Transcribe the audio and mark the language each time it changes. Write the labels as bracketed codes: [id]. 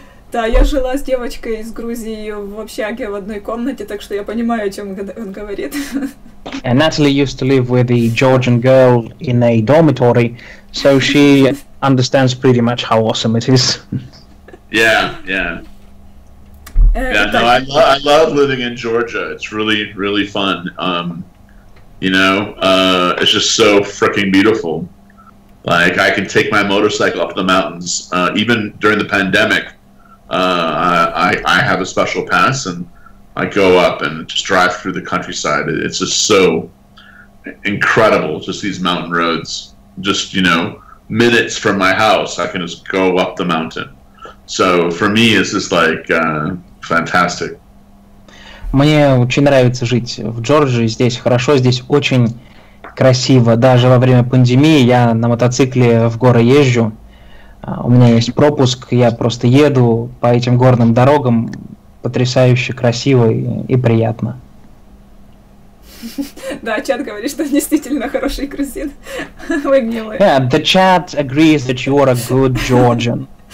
[ru] Да, я жила с девочкой из Грузии в общаге в одной комнате, так что я понимаю, о чем он говорит. [en] And Natalie used to live with a Georgian girl in a dormitory, so she understands pretty much how awesome it is. Yeah, yeah. Yeah, no, I love living in Georgia. It's really, really fun. It's just so freaking beautiful. Like, I can take my motorcycle up the mountains. Even during the pandemic, I have a special pass, and I go up and just drive through the countryside. It's just so incredible, just these mountain roads. Just, you know, minutes from my house, I can just go up the mountain. So for me, it's just like fantastic. [ru] Мне очень нравится жить в Джорджии. Здесь хорошо, здесь очень красиво. Даже во время пандемии я на мотоцикле в горы езжу. У меня есть пропуск, я просто еду по этим горным дорогам. Потрясающе красиво и приятно. Да, чат говорит, что действительно хороший грузин. Вы милые. [en] Yeah, the chat agrees that you are a good Georgian.